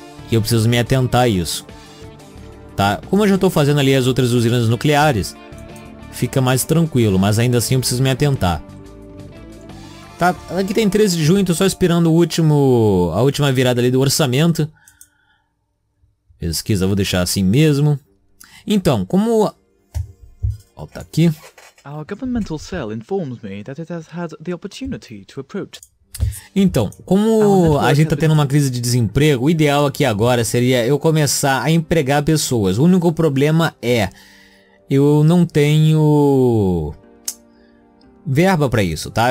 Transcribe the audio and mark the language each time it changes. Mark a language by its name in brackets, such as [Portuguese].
[Portuguese] E eu preciso me atentar a isso. Tá? Como eu já tô fazendo ali as outras usinas nucleares, fica mais tranquilo, mas ainda assim eu preciso me atentar. Tá, aqui tem 13 de junho, tô só esperando a última virada ali do orçamento. Pesquisa, vou deixar assim mesmo. Então, como... Volta aqui. [English] Our governmental cell informs me that it has had the opportunity to approach. [Portuguese] Então, como a gente tá tendo uma crise de desemprego, o ideal aqui agora seria eu começar a empregar pessoas. O único problema é eu não tenho verba para isso, tá?